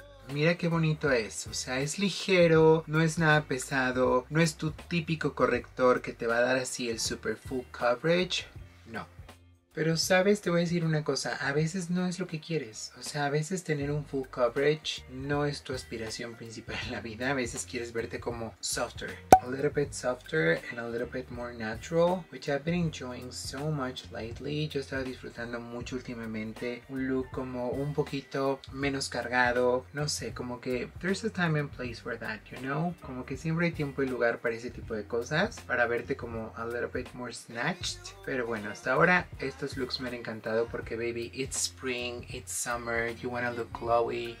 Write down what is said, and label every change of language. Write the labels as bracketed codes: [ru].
[es] Mira qué bonito es, o sea, es ligero, no es nada pesado, no es tu típico corrector que te va a dar así el [en] super full coverage. [es] Pero sabes, te voy a decir una cosa, a veces no es lo que quieres. O sea, a veces tener un [en] full coverage [es] no es tu aspiración principal en la vida. A veces quieres verte como softer. [en] A little bit softer and a little bit more natural, which I've been enjoying so much lately. [es] Yo estaba disfrutando mucho últimamente un look como un poquito menos cargado. No sé, como que [en] there's a time and place for that, you know? [es] Como que siempre hay tiempo y lugar para ese tipo de cosas, para verte como [en] a little bit more snatched. [es] Pero bueno, hasta ahora estos looks me han encantado porque, baby, [en] it's spring, it's summer, you wanna look glowy.